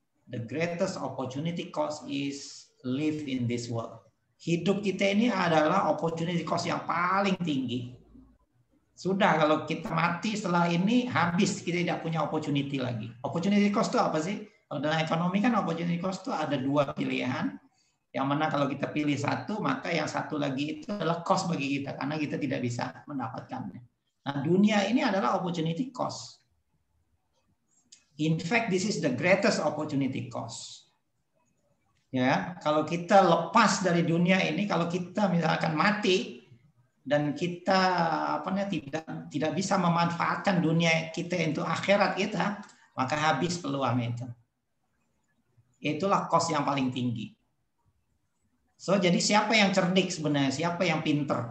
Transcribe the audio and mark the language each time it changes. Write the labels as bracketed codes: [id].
[en] The greatest opportunity cost is live in this world. [id] Hidup kita ini adalah opportunity cost yang paling tinggi. Sudah kalau kita mati setelah ini, habis kita tidak punya opportunity lagi. Opportunity cost itu apa sih? Kalau dalam ekonomi kan opportunity cost itu ada dua pilihan. Yang mana kalau kita pilih satu, maka yang satu lagi itu adalah cost bagi kita. Karena kita tidak bisa mendapatkannya. Nah, dunia ini adalah opportunity cost. [en] In fact, this is the greatest opportunity cost. [id] Ya, kalau kita lepas dari dunia ini, kalau kita misalkan mati, dan kita tidak bisa memanfaatkan dunia kita untuk akhirat kita, maka habis peluang itu. Itulah cost yang paling tinggi. So, jadi siapa yang cerdik sebenarnya? Siapa yang pinter?